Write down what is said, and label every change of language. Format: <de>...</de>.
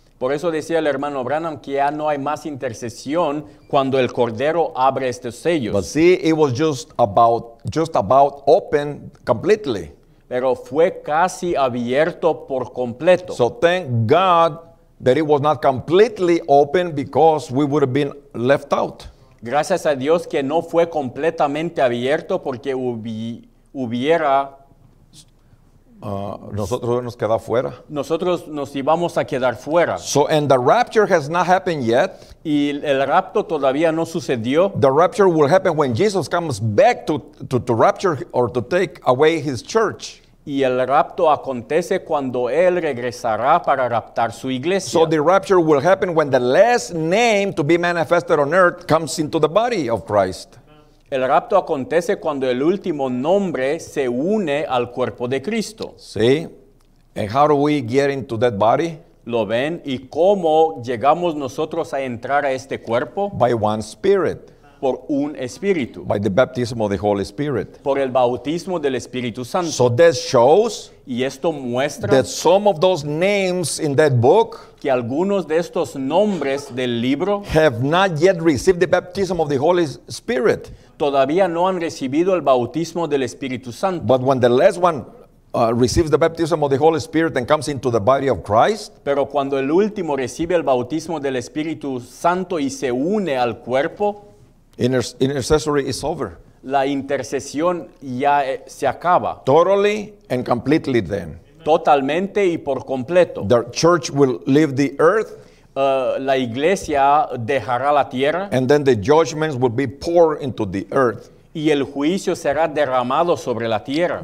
<es>Por eso decía el hermano Branham que ya no hay más intercesión cuando el Cordero abre estos sellos.</es> <en>But see, it was just about open completely.</en> <es>Pero fue casi abierto por completo.</es> <en>So thank God that it was not completely open because we would have been left out.</en> <es>Gracias a Dios que no fue completamente abierto porque hubiera... Nosotros nos queda fuera. Nosotros nos íbamos a quedar fuera.</es> <en>So, and the rapture has not happened yet.</en> <es>Y el rapto todavía no sucedió.</es> <en>The rapture will happen when Jesus comes back to rapture or to take away his church.</en> <es>Y el rapto acontece cuando él regresará para raptar su iglesia.</es> <en>So the rapture will happen when the last name to be manifested on earth comes into the body of Christ.</en> <es>El rapto acontece cuando el último nombre se une al cuerpo de Cristo. Sí.</es> <en>And how do we get into that body?</en> <es>¿Lo ven? ¿Y cómo llegamos nosotros a entrar a este cuerpo?</es> <en>By one spirit.</en> <es>Por un espíritu.</es> <en>By the baptism of the Holy Spirit.</en> <es>Por el bautismo del Espíritu Santo.</es> <en>So that shows.</en> <es>Y esto muestra.</es> <en>That some of those names in that book.</en> <es>Que algunos de estos nombres del libro.</es> <en>Have not yet received the baptism of the Holy Spirit.</en> <es>Todavía no han recibido el bautismo del Espíritu Santo.</es> <en>But when the last one receives the baptism of the Holy Spirit and comes into the body of Christ.</en> <es>Pero cuando el último recibe el bautismo del Espíritu Santo y se une al cuerpo.</es> <en>Intercessory is over.</en> <es>La intercesión ya se acaba.</es> <en>Totally and completely then.</en> <es>Totalmente y por completo.</es> <en>The church will leave the earth.</en> <es>La iglesia dejará la tierra.</es> <en>And then the judgments will be poured into the earth.</en> <es>Y el juicio será derramado sobre la tierra.</es>